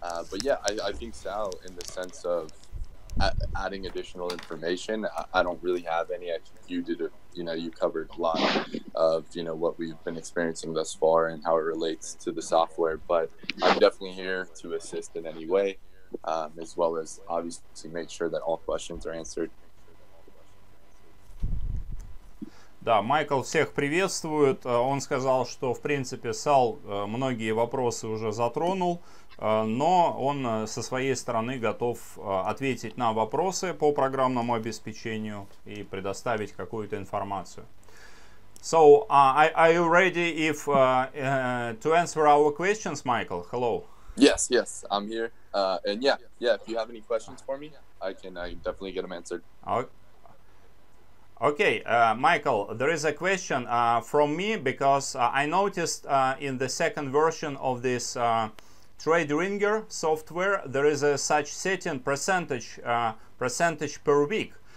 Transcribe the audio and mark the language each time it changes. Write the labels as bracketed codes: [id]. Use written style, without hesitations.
[en] But, yeah, I think Sal, in the sense of adding additional information, I don't really have any. You covered a lot of, what we've been experiencing thus far and how it relates to the software. But I'm definitely here to assist in any way, as well as obviously make sure that all questions are answered. [ru] Да, Майкл всех приветствует. Он сказал, что, в принципе, Сал многие вопросы уже затронул, но он со своей стороны готов ответить на вопросы по программному обеспечению и предоставить какую-то информацию. [en] So, are you ready to answer our questions, Michael? Hello. Yes, yes, I'm here. And if you have any questions for me, I can definitely get them answered. Okay, Michael, there is a question from me, because I noticed in the second version of this TradeRinger software, there is a such setting percentage per week.